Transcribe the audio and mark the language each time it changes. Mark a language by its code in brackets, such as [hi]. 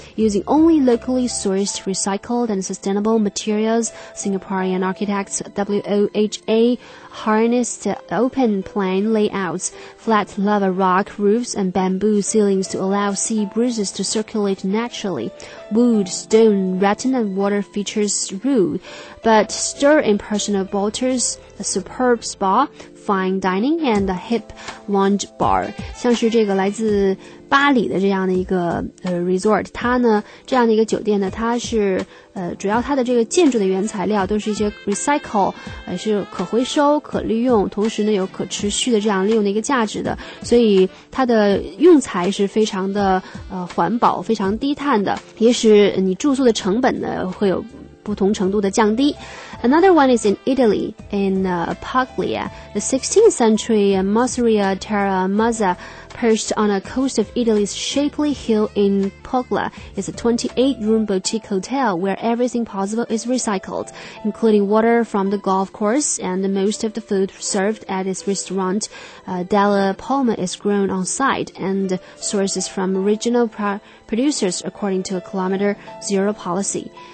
[en] Using only locally sourced, recycled and sustainable materials, Singaporean architects WOHA harnessed open plan layouts, flat lava rock roofs and bamboo ceilings to allow sea breezes to circulate naturally. Wood, stone, rattan and water features rule, but stir impersonal bolters, a superb spa,fine dining and a hip lounge bar. [zh] 像是这个来自巴黎的这样的一个resort, 它呢这样的一个酒店呢，它是主要它的这个建筑的原材料都是一些 recycle, 是可回收可利用，同时呢有可持续的这样利用的一个价值的，所以它的用材是非常的环保，非常低碳的，也使你住宿的成本呢会有不同程度的降低。 [en] Another one is in Italy, in Puglia. The 16th century Masseria Terra Mazza, perched on a coast of Italy's shapely hill in Puglia, is a 28-room boutique hotel where everything possible is recycled, including water from the golf course, and most of the food served at its restaurant, Della Palma, is grown on-site and sources from regional producers according to a kilometer zero policy.